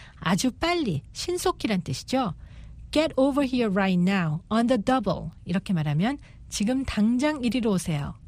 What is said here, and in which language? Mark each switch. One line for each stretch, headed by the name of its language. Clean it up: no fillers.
Korean: 아주 빨리, 신속히란 뜻이죠.
English: Get over here right now, on the double.
Korean: 이렇게 말하면 지금 당장 이리로 오세요.